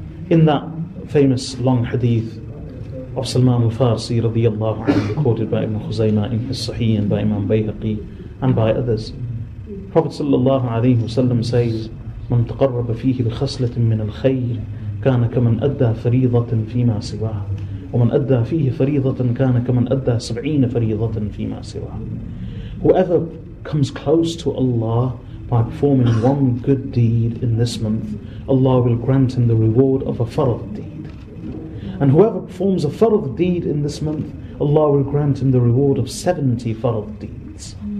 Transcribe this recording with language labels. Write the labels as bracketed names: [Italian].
[English] In that famous long hadith of Salman al-Farsi radiyallahu anhu, recorded by Ibn Khuzaymah in his Sahih and by Imam Bayhaqi and by others, Prophet sallallahu alayhi wa sallam says, [Arabic] "Man taqarraba fihi bi khaslatin min al-khayr." كان كمن أدى فريضة فيما سواه. ومن أدى فيه فريضة كان كمن أدى 70 فريضة فيما سواه. [English] Whoever comes close to Allah by performing one good deed in this month, Allah will grant him the reward of a farad deed. And whoever performs a farad deed in this month, Allah will grant him the reward of 70 farad deeds.